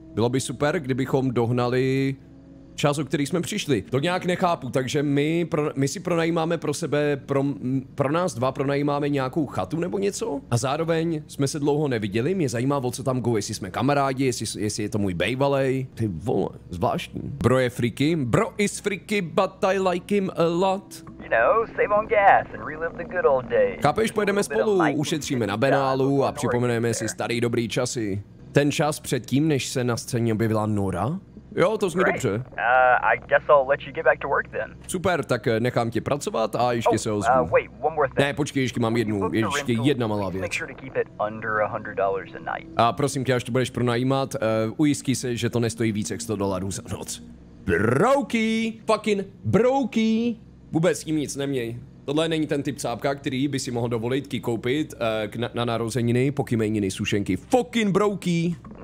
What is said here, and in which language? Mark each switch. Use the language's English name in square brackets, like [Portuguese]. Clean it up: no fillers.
[Czech] Bylo by super, kdybychom dohnali čas, o který jsme přišli. To nějak nechápu, takže my si pronajímáme pro nás dva nějakou chatu nebo něco? A zároveň jsme se dlouho neviděli, mě zajímá, o co tam go, jestli jsme kamarádi, jestli je to můj bejvalej. Ty vole, zvláštní. Bro je freaky, [English] bro is freaky, but I like him a lot. You know, save on gas and relive the good old days. [Czech] Chápeš, pojedeme spolu, ušetříme na Benálu a připomeneme si starý dobrý časy. Ten čas předtím, než se na scéně objevila Nora? Jo, to zní dobře. [English] I guess I'll let you get back to work then. [Czech] Super, tak nechám tě pracovat a ještě se ozvu. [English] Wait, one more thing. [Czech] Ne, počkej, ještě mám jedna malá věc. [English] Make sure to keep it under $100 a night. [Czech] A prosím tě, až to budeš pronajímat, ujistí se, že to nestojí víc jak $100 za noc. Broky! Fucking broky! Vůbec s tím nic neměj. Tohle není ten typ cápka, který by si mohl dovolit ký koupit na narozeniny, pokyméniny, sušenky. Fucking broky!